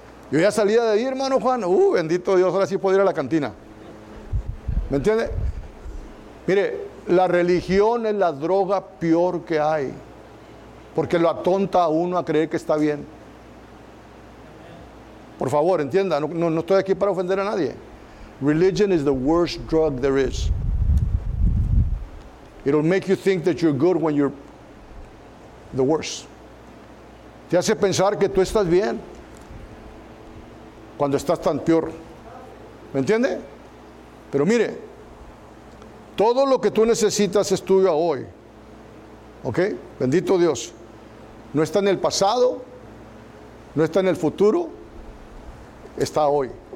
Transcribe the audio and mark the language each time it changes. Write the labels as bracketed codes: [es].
[es] Yo ya salía de ahí, hermano Juan, bendito Dios, ahora sí puedo ir a la cantina. ¿Me entiende? Mire, la religión es la droga peor que hay, porque lo atonta a uno a creer que está bien. Por favor, entienda, no estoy aquí para ofender a nadie. [en] Religion is the worst drug there is. It'll make you think that you're good when you're the worst. [es] Te hace pensar que tú estás bien cuando estás tan peor. ¿Me entiende? Pero mire, todo lo que tú necesitas es tuyo hoy. ¿Ok? Bendito Dios. No está en el pasado, no está en el futuro, está hoy.